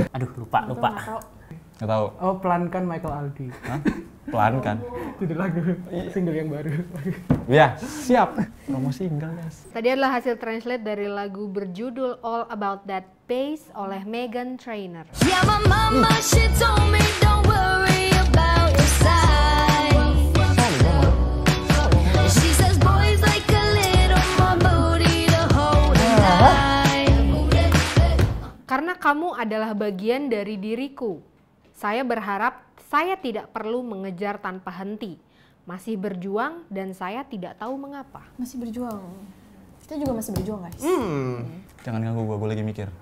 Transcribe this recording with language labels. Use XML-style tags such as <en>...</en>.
<id>Aduh, lupa, gak lupa. Gak tau. Oh, Pelankan Michael Aldi. Hah? Pelankan. Judul lagu, single yang baru. Ya, siap. Promo single, guys. Tadi adalah hasil translate dari lagu berjudul All About That Bass oleh Meghan Trainor.</id> <en>Yeah, my mama, she told me don't worry about your size. She says boys like a little more booty to hold and die.</en> <id>Karena kamu adalah bagian dari diriku, saya berharap saya tidak perlu mengejar tanpa henti. Masih berjuang dan saya tidak tahu mengapa. Masih berjuang. Kita juga masih berjuang, guys. Jangan ganggu gue lagi mikir.</id>